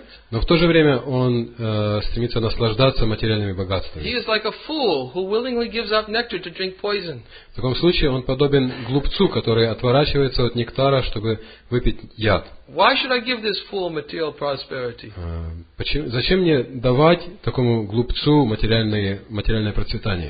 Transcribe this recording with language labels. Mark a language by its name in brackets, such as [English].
[Russian] Но в то же время он стремится наслаждаться материальными богатствами. В таком случае он подобен глупцу, который отворачивается от нектара, чтобы выпить яд. [English] Why should I give this fool material prosperity? [Russian] Зачем мне давать такому глупцу материальное процветание?